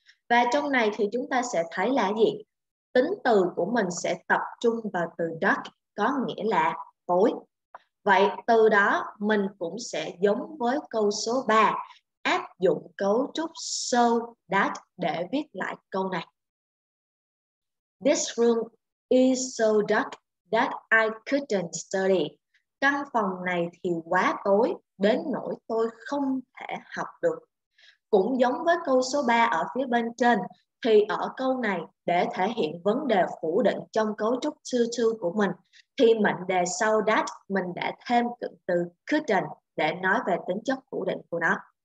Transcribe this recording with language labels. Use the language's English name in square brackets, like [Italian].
[Vietnamese] Và trong này thì chúng ta sẽ thấy là gì? Tính từ của mình sẽ tập trung vào từ dark, có nghĩa là tối. Vậy từ đó mình cũng sẽ giống với câu số 3, áp dụng cấu trúc so that để viết lại câu này. [English] This room is so dark that I couldn't study. [Vietnamese] Căn phòng này thì quá tối đến nỗi tôi không thể học được. Cũng giống với câu số 3 ở phía bên trên, thì ở câu này để thể hiện vấn đề phủ định trong cấu trúc too của mình, thì mệnh đề sau that mình đã thêm cụm từ couldn't để nói về tính chất phủ định của nó.